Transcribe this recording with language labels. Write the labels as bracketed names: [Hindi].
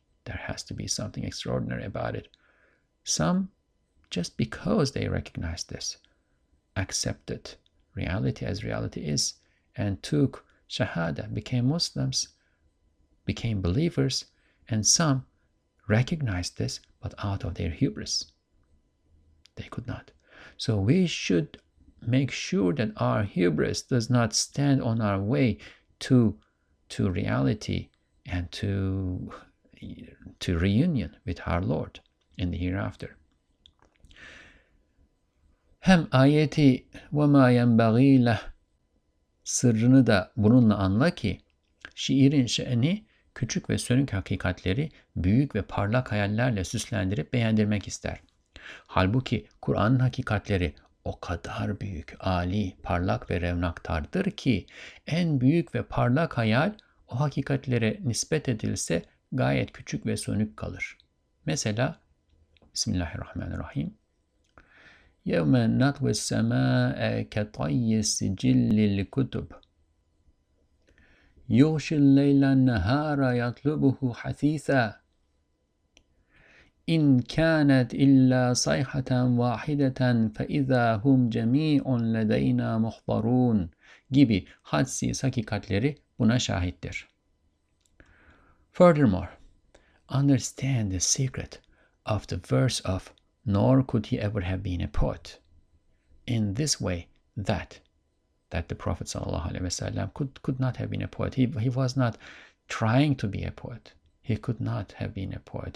[English] There has to be something extraordinary about it. Some, just because they recognize this, accepted reality as reality is, and took shahada, became Muslims, became believers, and some recognized this, but out of their hubris, they could not. So we should make sure that our hubris does not stand on our way to reality and to reunion with our Lord in the hereafter. [Turkish] Hem ayeti ve ma yenbagî leh sırrını da bununla anla ki şiirin şe'ni küçük ve sönük hakikatleri büyük ve parlak hayallerle süslendirip beğendirmek ister. Halbuki Kur'an'ın hakikatleri o kadar büyük, âli, parlak ve revnaktardır ki en büyük ve parlak hayal o hakikatlere nispet edilse gayet küçük ve sönük kalır. Mesela Bismillahirrahmanirrahim. [Arabic] يَوْمَ نَطْوِ السَّمَاءَ كَطَيِّ السِّجِلِّ الْكُتُبِ يُغْشِ اللَّيْلَ النَّهَارَ يَطْلُبُهُ حَثِيثًا اِنْ كَانَتْ إِلَّا صَيْحَةً وَاحِدَةً فَاِذَا هُمْ جَمِيعٌ لَدَيْنَا مُحْضَرُونَ [Turkish] gibi hadsiz hakikatleri buna şahittir. [English] Furthermore, understand the secret of the verse of nor could he ever have been a poet in this way that the Prophet sallallahu alaihi wasallam could not have been a poet. He was not trying to be a poet. He could not have been a poet.